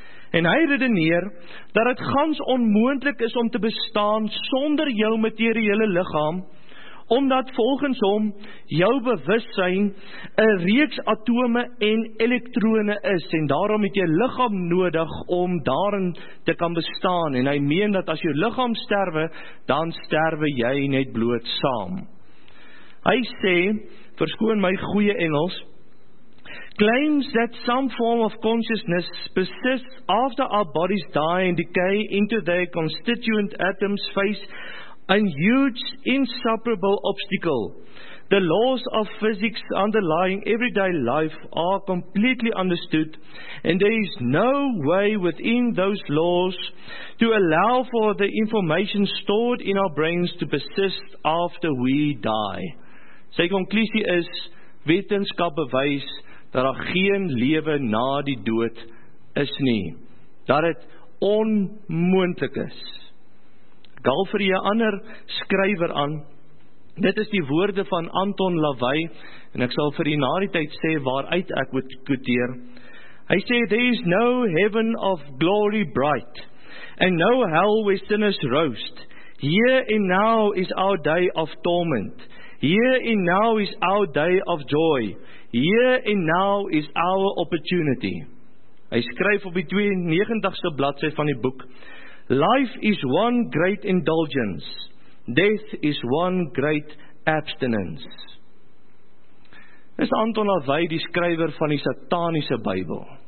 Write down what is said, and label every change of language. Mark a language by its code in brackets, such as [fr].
[af] En hy redeneer dat dit gans onmoontlik is om te bestaan sonder jou materiële liggaam, omdat volgens hom jou bewussyn 'n reeks atome en elektrone is en daarom het jy liggaam nodig om daarin te kan bestaan, en hy meen dat as jou liggaam sterwe, dan sterwe jy net bloot saam. Hy sê verskoon my goeie Engels, [en] claims that some form of consciousness persists after our bodies die and decay into their constituent atoms face a huge, insuperable obstacle. The laws of physics underlying everyday life are completely understood, and there is no way within those laws to allow for the information stored in our brains to persist after we die. [af] Sy konklusie is, wetenskap bewys dat daar geen lewe na die dood is nie. Dat het onmoontlik is. Gaal vir jy ander skrywer aan, dit is die woorde van Anton LaVey, en ek sal vir die na die tyd sê waaruit ek moet quoteer. Hy sê, [en] there is no heaven of glory bright, and no hell where sinners roast. Here and now is our day of torment. Here and now is our day of joy. Here and now is our opportunity. [af] Hy skryf op die 92ste bladsy van die boek, [en] life is one great indulgence. Death is one great abstinence. [af] Dis Anton LaVey, die skrywer van die sataniese Bybel.